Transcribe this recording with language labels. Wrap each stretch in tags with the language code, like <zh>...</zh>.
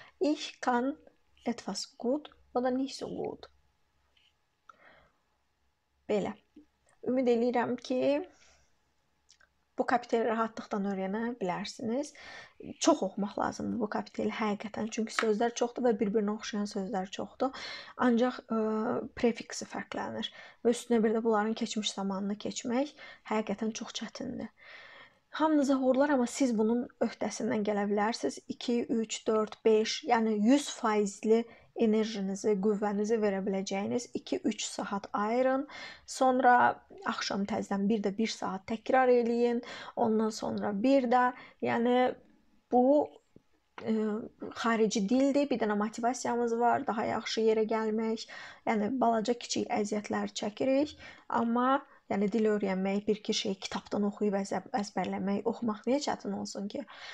<de>Ich kann etwas gut oder nicht so gut.</de> <az>Belə. Ümid edirəm ki, bu kapiteli rahatlıqdan öyrənə bilərsiniz. Çox oxumaq lazımdır bu kapiteli həqiqətən. Çünki sözlər çoxdur və bir-birinə oxşayan sözlər çoxdur. Ancaq prefiksi fərqlənir. Və üstünə bir də bunların keçmiş zamanını keçmək həqiqətən çox çətindir. Hamınıza uğurlar, amma siz bunun öhdəsindən gələ bilərsiniz. 2, 3, 4, 5, yəni 100%-li enerjinizi, qüvvənizi verə biləcəyiniz 2-3 saat ayırın. Sonra axşam təzdən bir də 1 saat təkrar eləyin. Ondan sonra bir də, yəni bu xarici dildir. Bir dənə motivasiyamız var, daha yaxşı yerə gəlmək. Yəni balaca kiçik əziyyətlər çəkirik. Amma yəni dil öyrənmək, bir iki şey kitabdan oxuyub əzbərləmək, oxumaq niyə çətin olsun ki?</az>